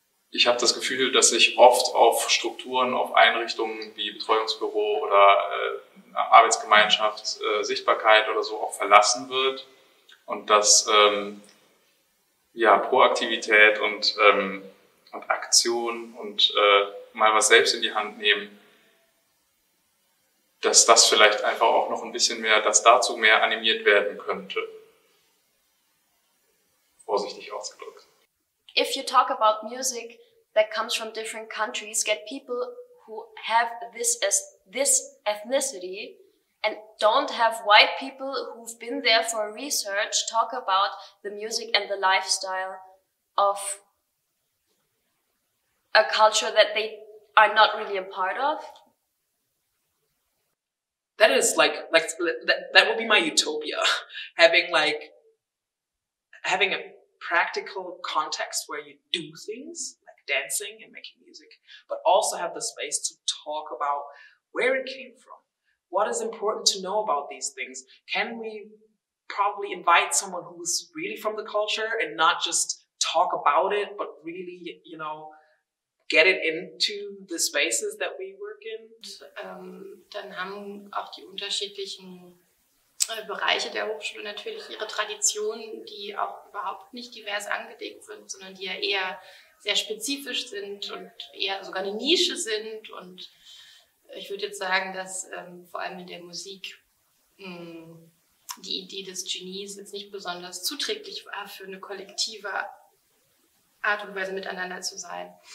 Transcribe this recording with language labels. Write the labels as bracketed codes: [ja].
[de] Ich habe das Gefühl, dass ich oft auf Strukturen, auf Einrichtungen wie Betreuungsbüro oder Arbeitsgemeinschaft, Sichtbarkeit oder so auch verlassen wird und dass Proaktivität und Aktion und mal was selbst in die Hand nehmen, dass das vielleicht einfach auch noch ein bisschen mehr, dass dazu mehr animiert werden könnte. Vorsichtig ausgedrückt. [en] If you talk about music that comes from different countries, get people who have this ethnicity and don't have white people who've been there for research talk about the music and the lifestyle of a culture that they are not really a part of? That is like that would be my utopia, having a practical context where you do things like dancing and making music, but also have the space to talk about where it came from, what is important to know about these things. Can we probably invite someone who's really from the culture and not just talk about it, but really, you know, get it into the spaces that we work in? [de] Dann haben auch die unterschiedlichen Bereiche der Hochschule natürlich ihre Traditionen, die auch überhaupt nicht divers angelegt sind, sondern die ja eher sehr spezifisch sind und eher sogar eine Nische sind. Und ich würde jetzt sagen, dass vor allem in der Musik die Idee des Genies jetzt nicht besonders zuträglich war für eine kollektive Art und Weise miteinander zu sein.